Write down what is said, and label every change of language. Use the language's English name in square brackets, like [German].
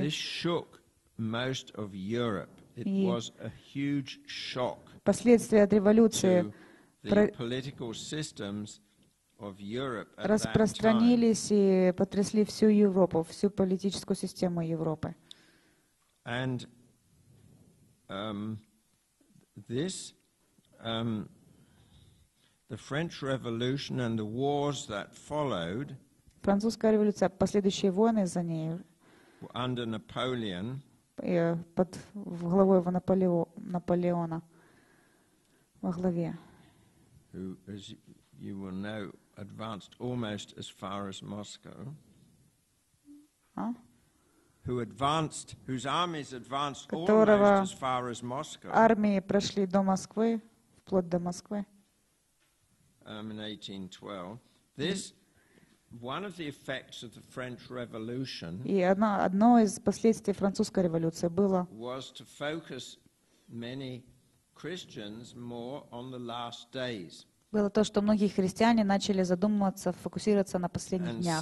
[English] This shook most of Europe. It was a huge shock. [Russian] Последствия от революции распространились и потрясли всю Европу, всю политическую систему Европы. [English] And this the French Revolution and the wars that followed. [Russian] Французская революция, последующие войны за ней [English] under Napoleon, [Russian] под главой Наполеона во главе. [English] Who, as you will know, advanced almost as far as Moscow. Who advanced? Whose armies advanced almost as far as Moscow? [Russian] Армии прошли до Москвы, вплоть до Москвы. [English] In 1812, this one of the effects of the French Revolution. [Russian] И одно из последствий французской революции было. [English] Was to focus many Christians more on the last days. [Russian] Было то, что многие христиане начали задумываться, фокусироваться на последних